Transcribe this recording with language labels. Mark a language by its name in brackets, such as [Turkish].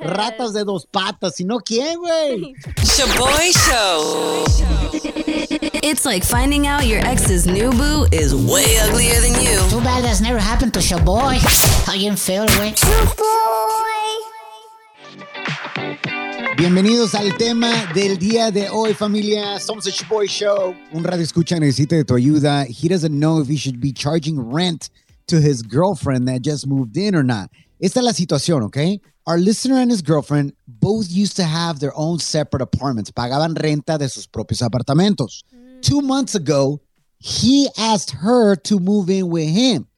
[Spanish] Ratas de dos patas, si no, ¿quién, güey? [English] Sha'Boy Show. It's like finding out your ex's new boo is way uglier than you. Too bad that's never happened to Sha'Boy. How you feel, güey? Sha'Boy. [Spanish] Bienvenidos al tema del día de hoy, familia. Somos el Sha'Boy Show. Un radioescucha necesita de tu ayuda. [English] He doesn't know if he should be charging rent to his girlfriend that just moved in or not. [Spanish] Esta es la situación, [English] okay? Our listener and his girlfriend both used to have their own separate apartments. [Spanish] Pagaban renta de sus propios apartamentos. [English] 2 months ago, he asked her to move in with him.